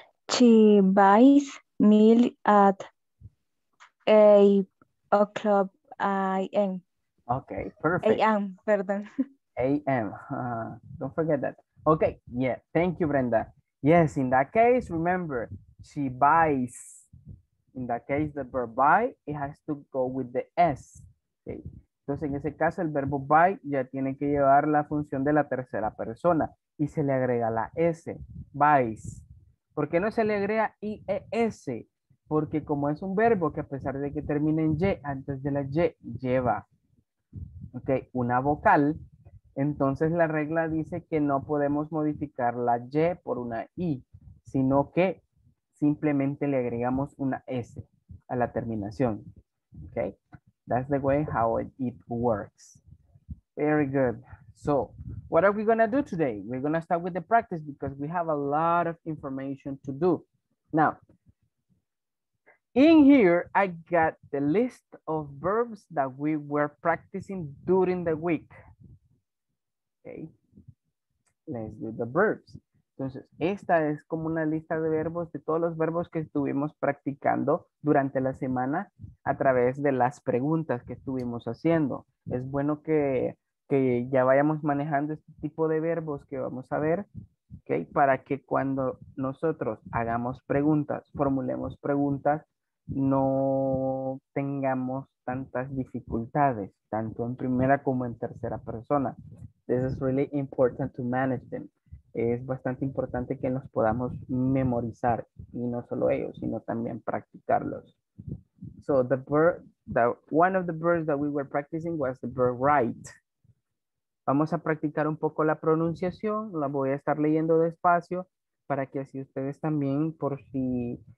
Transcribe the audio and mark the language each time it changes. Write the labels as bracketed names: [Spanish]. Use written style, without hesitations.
[English] She buys milk at 8 o'clock a.m. Okay, perfect. A.m., pardon. A.m., don't forget that. Okay, yeah, thank you, Brenda. Yes, in that case, remember, she buys. In that case, the verb buy, it has to go with the S. Okay. [Spanish] Entonces, en ese caso, el verbo buy ya tiene que llevar la función de la tercera persona y se le agrega la S, buys. ¿Por qué no se le agrega IES? Porque como es un verbo que a pesar de que termine en Y, antes de la Y, lleva, okay, una vocal. Entonces la regla dice que no podemos modificar la Y por una I, sino que simplemente le agregamos una S a la terminación. [English] Okay, that's the way how it works. Very good. So, what are we going to do today? We're going to start with the practice because we have a lot of information to do. Now, in here, I got the list of verbs that we were practicing during the week. Okay, let's do the verbs. [Spanish] Entonces, esta es como una lista de verbos, de todos los verbos que estuvimos practicando durante la semana a través de las preguntas que estuvimos haciendo. Es bueno que ya vayamos manejando este tipo de verbos que vamos a ver, okay, para que cuando nosotros hagamos preguntas, formulemos preguntas, no tengamos tantas dificultades, tanto en primera como en tercera persona. [English] This is really important to manage them. [Spanish] Es bastante importante que los podamos memorizar, y no solo ellos, sino también practicarlos. [English] So the verb, one of the verbs that we were practicing was the verb write. [Spanish] Vamos a practicar un poco la pronunciación. La voy a estar leyendo despacio para que así ustedes también, por si